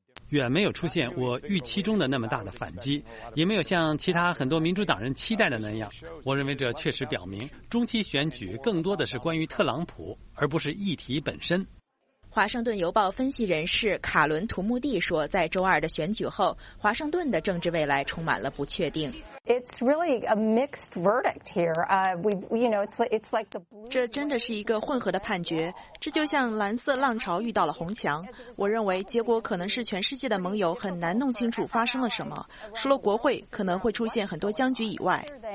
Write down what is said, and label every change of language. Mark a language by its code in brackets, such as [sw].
[zh] 远没有出现我预期中的那么大的反击，也没有像其他很多民主党人期待的那样。我认为这确实表明，中期选举更多的是关于特朗普，而不是议题本身。华盛顿邮报分析人士卡伦·图穆蒂说，在周二的选举后，华盛顿的政治未来充满了不确定。 [en] It's really a mixed verdict here. It's like the blue. [zh] 这真的是一个混合的判决，这就像蓝色浪潮遇到了红墙。我认为结果可能是全世界的盟友很难弄清楚发生了什么，除了国会可能会出现很多僵局以外。